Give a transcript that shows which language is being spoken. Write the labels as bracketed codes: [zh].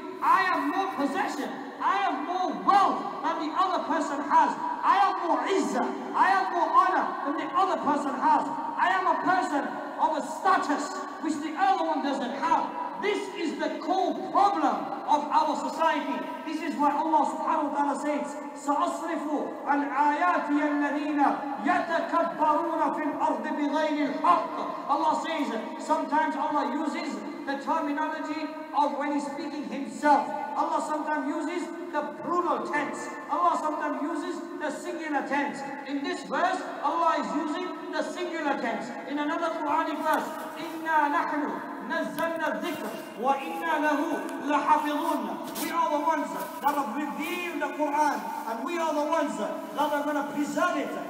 [en] I have more possession. I have more wealth than the other person has. I have more izzah. I have more honor than the other person has. I am a person of a status which the other one doesn't have. This is the core problem of our society. This is why Allah subhanahu wa ta'ala says, [ar] سَأَصْرِفُ عَنْ آيَاتِيَ الَّذِينَ يَتَكَبَّرُونَ فِي الْأَرْضِ بِغَيْرِ الْحَقِّ. [en] Allah says, sometimes Allah uses the terminology of when He's speaking Himself. Allah sometimes uses the plural tense. Allah sometimes uses the singular tense. In this verse, Allah is using the singular tense. In another Quranic verse, [ar] إِنَّا نَحْنُ نَزَّلْنَا الذِّكْرَ وَإِنَّا لَهُ لَحَفِظُونَ. [en] We are the ones that have revealed the Quran, and we are the ones that are going to preserve it.